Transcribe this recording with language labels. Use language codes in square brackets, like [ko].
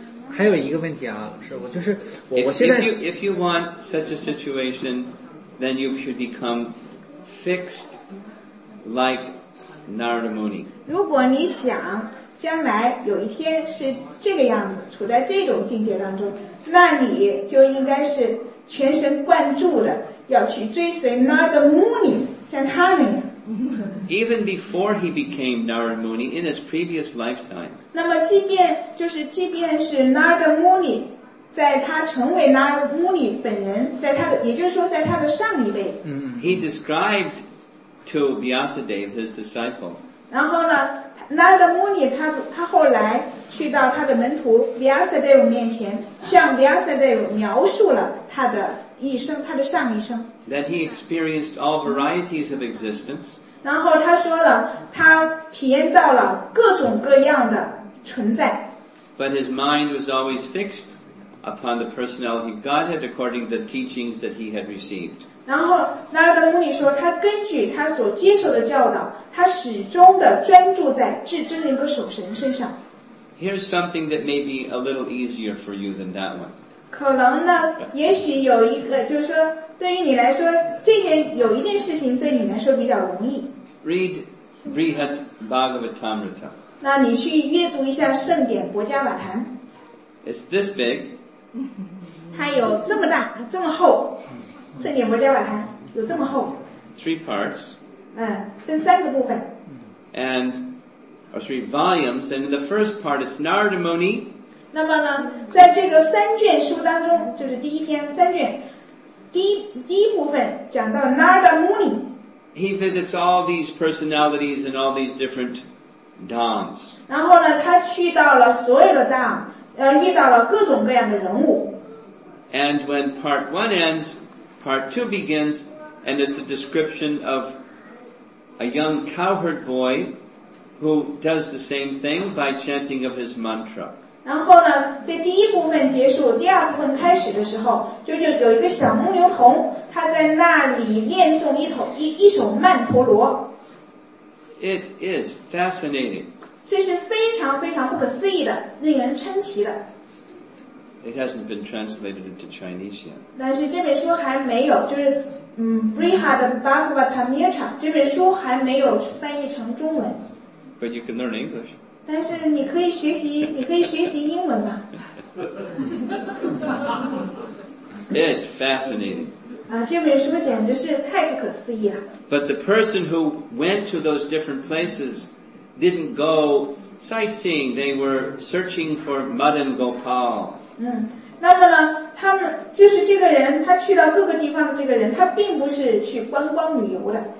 [zh] 还有一个问题啊，是我就是我现在。 [en] If you want such a situation, then you should become fixed like Narada Muni. [zh] 如果你想。将来有一天是这个样子，处在这种境界当中，那你就应该是全神贯注的要去追随 Narada Muni， 像他那样。 [en] Even before he became Narada Muni in his previous lifetime. [zh] 那么，即便是 Narada Muni， 在他成为 Narada Muni 本人，在他的，也就是说，在他的上一辈子。 [en] He described to Vyasadeva his disciple. [zh] 然后呢？Narada Muni 他后来去到他的门徒 Vyasadeva 面前，向 Vyasadeva 描述了他的一生，他的上一生。 [en] That he experienced all varieties of existence. [zh] 然后他说了，他体验到了各种各样的存在。 [en] But his mind was always fixed upon the personality of Godhead according to the teachings that he had received. [zh] 然后纳尔德穆尼说他根据他所接受的教导，他始终的专注在至尊灵和守神身上。 [en] Here's something that may be a little easier for you than that one. [zh] 可能呢，也许有一个，就是说对于你来说，这件有一件事情对你来说比较容易。 [en] Read Brihat Bhagavatamrita. [zh] 那你去阅读一下圣典博迦瓦坛。 [en] It's this big. [zh] 它有这么大，这么厚。圣典摩迦瓦坛有这么厚 [en] ，three parts， [zh] 分三个部分。 [en] and or three volumes, and in the first part it's Narada Muni. [zh] 那么呢，在这个三卷书当中，就是第一篇三卷，第一部分讲到 Narada Muni。 [en] He visits all these personalities and all these different dhams. [zh] 然后呢，他去到了所有的 dham， 遇到了各种各样的人物。 [en] And when part one ends, part two begins, and it's a description of a young cowherd boy who does the same thing by chanting of his mantra. [zh] 然后呢，在第一部分结束，第二部分开始的时候，就有一个小牧牛童，他在那里念诵一首曼陀罗。 [en] It is fascinating. [zh] 这是非常非常不可思议的，令人称奇的。 [en] It hasn't been translated into Chinese yet. [zh] 但是这本书还没有，就是Brihad Bhagavatamrita 这本书还没有翻译成中文。 [en] But you can learn English. [zh] 但是你可以学习，你可以学习英文吧。 [en] It's fascinating. [zh] 这本书简直是太不可思议了。 [en] But the person who went to those different places didn't go sightseeing. They were searching for Madan Gopal. [zh] 那么呢，他们就是这个人，他去到各个地方的这个人，他并不是去观光旅游的。